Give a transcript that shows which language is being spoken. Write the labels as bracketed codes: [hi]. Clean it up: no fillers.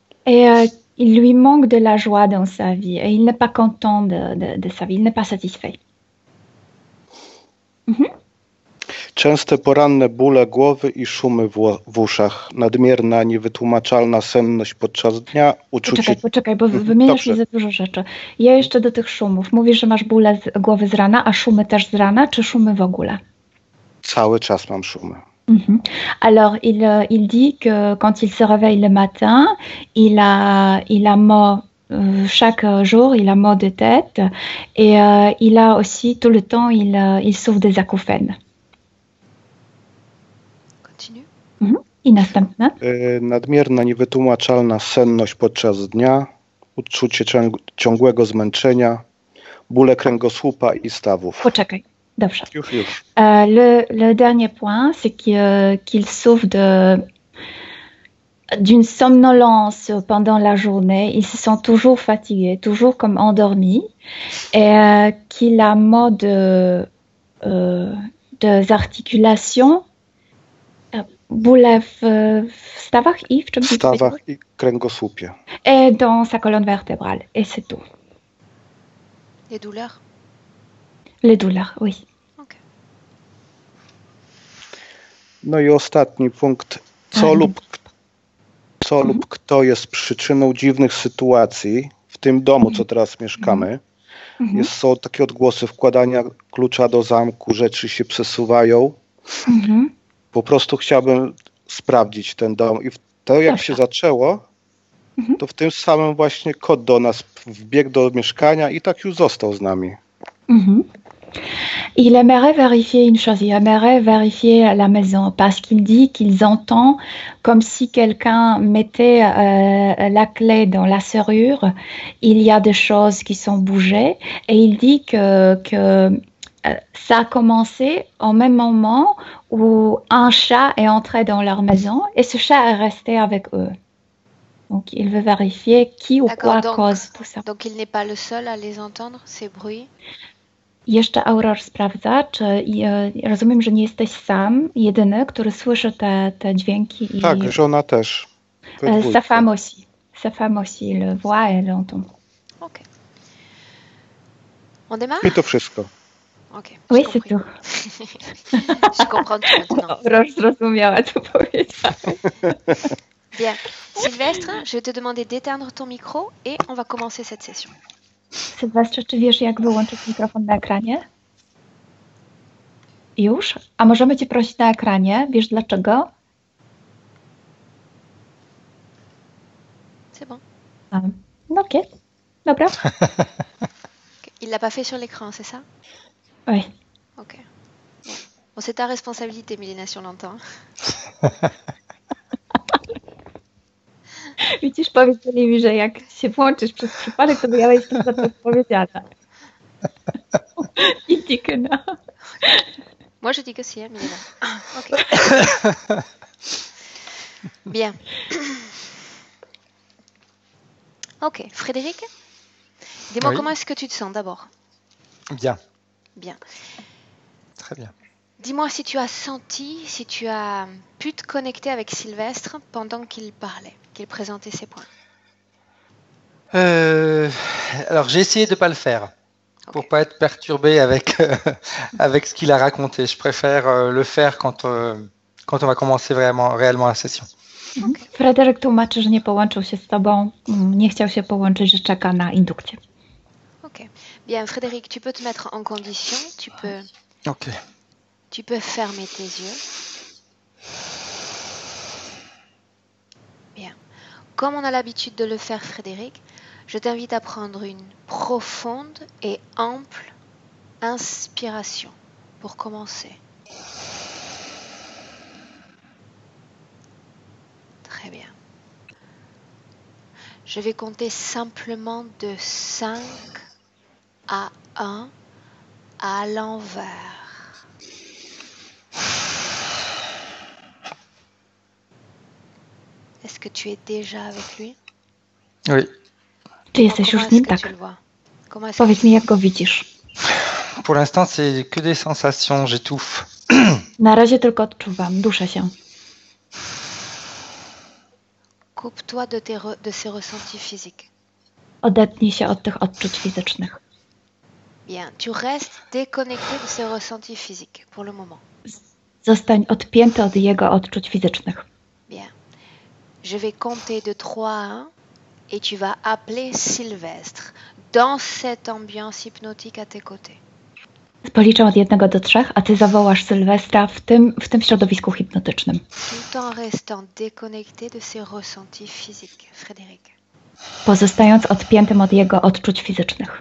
[fr] Et il lui manque de la joie dans sa vie et il n'est pas content de sa vie, il n'est pas satisfait. [pl] Częste poranne bóle głowy i szumy w uszach, nadmierna, niewytłumaczalna senność podczas dnia, uczucie... Poczekaj, poczekaj, bo wymieniasz mi za dużo rzeczy. Ja jeszcze do tych szumów. Mówisz, że masz bóle z głowy z rana, a szumy też z rana, czy szumy w ogóle? Cały czas mam szumy. [fr] Alors, il dit que quand il se réveille le matin, il a mal chaque jour, il a mal de tête et il a aussi tout le temps, il souffre des acouphènes. Continue. [pl] I następne. Nadmierna, niewytłumaczalna senność podczas dnia, uczucie ciągłego zmęczenia, bóle kręgosłupa i stawów. Poczekaj. Dobrze. Już, już. [fr] Le dernier point, c'est qu'il souffre d'une somnolence pendant la journée. Il se sent toujours fatigué, toujours comme endormi. Et qu'il a mal de articulations. [pl] Boule w stawach i w czym jeszcze? stawach i kręgosłupie. [fr] Dans sa colonne vertébrale. Et c'est tout. Les douleurs. Les douleurs, oui. [pl] No i ostatni punkt. Co lub kto jest przyczyną dziwnych sytuacji w tym domu, co teraz mieszkamy? Jest, są takie odgłosy wkładania klucza do zamku, rzeczy się przesuwają. Po prostu chciałbym sprawdzić ten dom. I to jak się zaczęło, to w tym samym właśnie kot do nas wbiegł do mieszkania i tak już został z nami. [fr] Il aimerait vérifier une chose, il aimerait vérifier la maison parce qu'il dit qu'ils entendent comme si quelqu'un mettait la clé dans la serrure, il y a des choses qui sont bougées et il dit que ça a commencé au même moment où un chat est entré dans leur maison et ce chat est resté avec eux. Donc il veut vérifier qui ou quoi cause tout ça. Donc il n'est pas le seul à les entendre ces bruits? [pl] Jeszcze Auror sprawdza, czy rozumiem, że nie jesteś sam, jedyny, który słyszy te dźwięki. Tak, i żona też. [fr] Sa femme aussi. Sa femme aussi, le voit et l'entend. Ok. On démarre? [pl] I to wszystko. [fr] Ok. Oui, c'est tout. Je comprends tout maintenant. [pl] Auror zrozumiała, co powiedziałem. [fr] Bien. Sylvestre, je vais te demander d'éteindre ton micro et on va commencer cette session. [pl] Sylwestrze, czy wiesz, jak wyłączyć mikrofon na ekranie? Już? A możemy cię prosić na ekranie? Wiesz dlaczego? [fr] C'est bon. [pl] No, ok. Dobra. [fr] Il l'a pas fait sur l'écran, c'est ça? Oui. Ok. Bon, c'est ta responsabilité, Milena, si on l'entend. [pl] Widzisz, powiedzieli mi, że jak się włączysz przez przypadek, to ja jestem za to odpowiedzialna. I tylko no. Może tylko się, Milena. Okej. Okay. [fr] Bien. Ok, Frédéric. Dis-moi, oui. Comment est-ce que tu te sens d'abord? Bien. Bien. Très bien. Dis-moi si tu as senti, si tu as pu te connecter avec Sylvestre pendant qu'il parlait, qu'il présentait ses points. Alors, j'ai essayé de ne pas le faire pour ne pas être perturbé avec ce qu'il a raconté. Je préfère le faire quand on va commencer vraiment, réellement la session. Okay. [pl] Frédéric tłumaczy, że nie połączył się z tobą, nie chciał się połączyć, że czeka na indukcję. [fr] Ok. Bien, Frédéric, tu peux te mettre en condition, tu peux... Ok. Tu peux fermer tes yeux. Bien. Comme on a l'habitude de le faire, Frédéric, je t'invite à prendre une profonde et ample inspiration pour commencer. Très bien. Je vais compter simplement de 5 à 1 à l'envers. Est-ce que tu es déjà avec lui? Oui. Tu es déjà avec lui, [pl] tak. [fr] Comment est-ce que tu le vois? Comment est-ce que pour l'instant, c'est que des sensations, j'étouffe. [pl] Na razie tylko odczuwam, duszę się. [fr] Coupe-toi de ces ressentis physiques. [pl] Odetnij się od tych odczuć fizycznych. [fr] Bien, tu restes déconnecté de ces ressentis physiques pour le moment. [pl] Zostań odpięty od jego odczuć fizycznych. [fr] Bien. Je vais compter de 3 à 1 et tu vas appeler Sylvestre dans cette ambiance hypnotique à tes côtés. [pl] Policzę od 1 do 3, a ty zawołasz Sylwestra w tym środowisku hipnotycznym. [fr] Tout en restant déconnecté de ses ressentis physiques, Frédéric. [pl] Pozostając odpiętym od jego odczuć fizycznych.